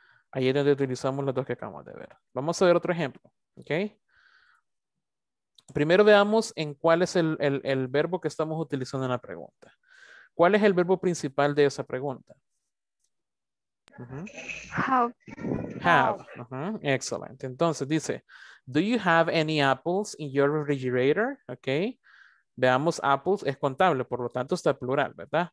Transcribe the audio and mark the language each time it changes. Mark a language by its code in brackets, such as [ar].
[es] Ahí es donde utilizamos las dos que acabamos de ver. Vamos a ver otro ejemplo. ¿Ok? Primero veamos en cuál es el verbo que estamos utilizando en la pregunta. ¿Cuál es el verbo principal de esa pregunta? [en] Have. Excellent. [es] Entonces dice, [en] do you have any apples in your refrigerator? [es] ¿Ok? Veamos, apples es contable, por lo tanto está plural, ¿verdad?